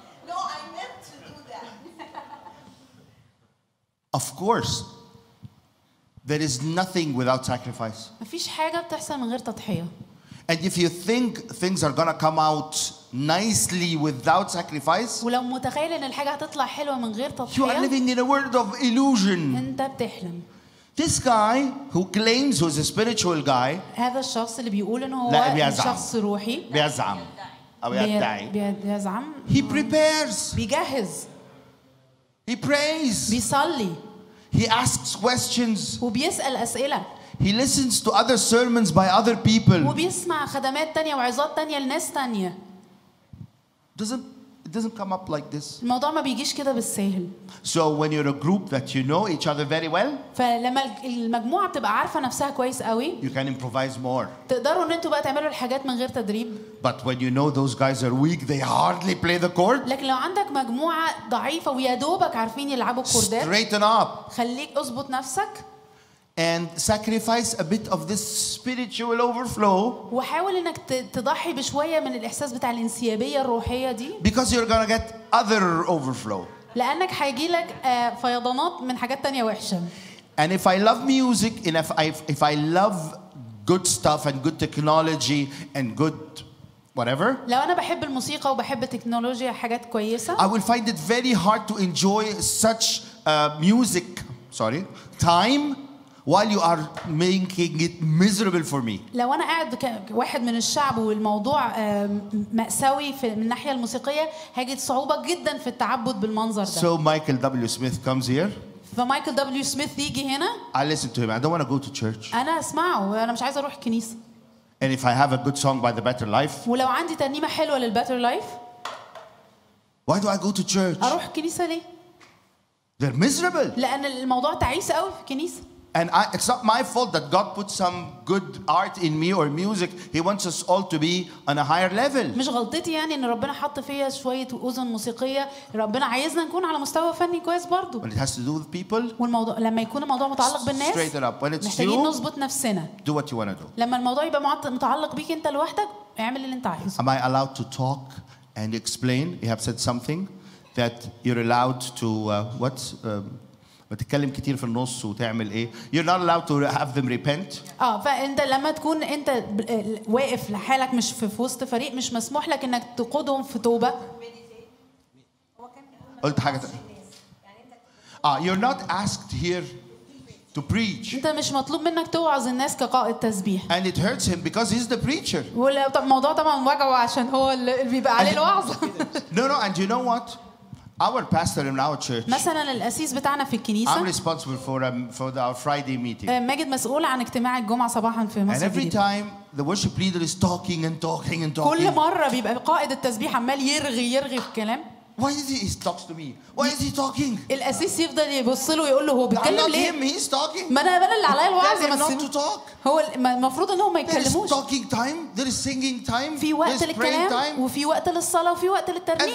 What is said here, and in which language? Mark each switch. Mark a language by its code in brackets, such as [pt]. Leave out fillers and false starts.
[en] no, I meant to do that. Of course, there is nothing without sacrifice. [ar] مفيش حاجة بتحصل من غير تضحية. [en] And if you think things are gonna come out nicely without sacrifice, [ar] ولو متخيل إن الحاجة هتطلع حلوة من غير تضحية, [en] you are living in a world of illusion. [ar] أنت بتحلم. [en] This guy who claims he's a spiritual guy. [ar] هذا الشخص اللي بيقول إنه هو شخص روحي. بيزعم. أو بيزعم. [en] He prepares. [ar] بيجهز. [en] He prays. [ar] بيصلي. [en] He asks questions. [ar] وبيسأل أسئلة. [en] He listens to other sermons by other people. [ar] وبيسمع خدمات تانية وعظات تانية لناس تانية. [en] It doesn't come up like this. [ar] الموضوع ما بيجيش كده بالسهل. [en] So when you're a group that you know each other very well. [ar] فلما المجموعة بتبقى عارفة نفسها كويس قوي. [en] You can improvise more. [ar] تقدروا ان انتوا بقى تعملوا الحاجات من غير تدريب. [en] But when you know those guys are weak, they hardly play the chord. [ar] لكن لو عندك مجموعة ضعيفة ويا دوبك عارفين يلعبوا كوردات. [en] Straighten up. [ar] خليك اظبط نفسك. [en] And sacrifice a bit of this spiritual overflow. [ar] وحاول إنك تضحي بشوية من الإحساس بتاع الانسيابية الروحية دي. [en] Because you're gonna get other overflow. [ar] لأنك هيجي لك فيضانات من حاجات تانية وحشة. [en] And if I love music, and if I love good stuff and good technology and good whatever. [ar] لو أنا بحب الموسيقى وبحب التكنولوجيا حاجات كويسة. [en] I will find it very hard to enjoy such music. Sorry, time. While you are making it miserable for me. [ar] لو أنا قاعد كواحد من الشعب والموضوع مأساوي في من ناحية الموسيقية هجد صعوبة جدا في التعبد بالمنظر ده. [en] So Michael W. Smith comes here. [ar] فمايكل دبليو سميث يجي هنا. [en] I listen to him. I don't want to go to church. [ar] أنا أسمعه. أنا مش عايز أروح كنيسة. [en] And if I have a good song by the Better Life. [ar] ولو عندي ترنيمة حلوة للBetter Life. [en] Why do I go to church? [ar] أروح كنيسة ليه؟ [en] They're miserable. [ar] لأن الموضوع تعيس قوي في كنيسة. [en] And it's not my fault that God put some good art in me or music. He wants us all to be on a higher level. [ar] مش غلطتي يعني ان ربنا حط فيا شوية أذن موسيقية. ربنا عايزنا نكون على مستوى فني كويس برضو. [en] When it has to do with people. [ar] والموضوع لما يكون الموضوع متعلق بالناس. [en] Straight it up. When it's [ar] محتاجين نظبط نفسنا. [en] Do what you want to do. [ar] لما الموضوع يبقى متعلق بيك انت لوحدك اعمل اللي انت عايزه. [en] Am I allowed to talk and explain? You have said something that you're allowed to [ar] بتتكلم كتير في النص وتعمل ايه. [en] You're not allowed to have them repent. [ar] فانت لما تكون انت واقف لحالك مش في وسط فريق مش مسموح لك انك تقودهم في توبه. قلت حاجه [en] you're not asked here to preach. [ar] انت مش مطلوب منك توعظ الناس كقائد تسبيح. [en] And it hurts him because he's the preacher. [ar] والموضوع طبعا وجعه عشان هو اللي بيبقى عليه الوعظ. [en] No, and you know what? Our pastor in our church. [ar] مثلاً الأسيس بتاعنا في الكنيسة. [en] I'm responsible for our Friday meeting. [ar] ماجد مسؤول عن اجتماع الجمعة صباحاً في مصر. [en] And every time the worship leader is talking. [ar] كل مرة بيبقى قائد التسبيح عمال يرغي في كلام. [en] Why is he talks to me? Why is he talking? [ar] الأسيس يفضل يبص له ويقول له هو بيتكلم ليه؟ [en] I'm not him. He's talking. [ar] ما أنا أنا اللي عليا الوعظ مسؤول. [en] Not to talk. [ar] هو المفروض إنه ما يتكلموش. [en] There is talking time. There is singing time. [ar] في وقت للكلام وفي وقت للصلاة وفي وقت للترنيم.